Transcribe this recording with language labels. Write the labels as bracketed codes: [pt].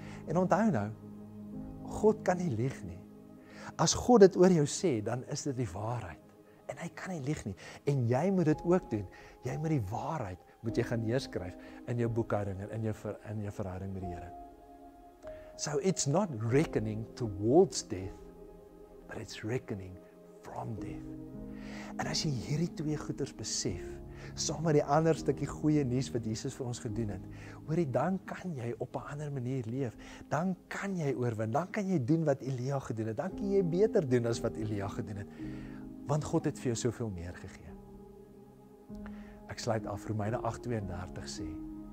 [af] En onthou nou, God kan nie lieg nie. As God dit oor jou sê, dan is dit die waarheid. En hy kan nie lieg nie. En jy moet dit ook doen. Jy moet die waarheid moet jy gaan neerskryf in jou boekhouding en in jou verhouding met die Here. [en] So it's not reckoning towards death, but it's reckoning from death. [af] En as jy hierdie twee goeders besef, saam met die ander stukkie goeie nuus wat Jesus vir ons gedoen het. Hoorie, dan kan jy op 'n ander manier leef. Dan kan jy oorwin. Dan kan jy doen wat Elia gedoen het. Dan kan jy beter doen as wat Elia gedoen het. Want God het vir jou soveel meer gegee. Ek sluit af, Romeine 8:32 sê.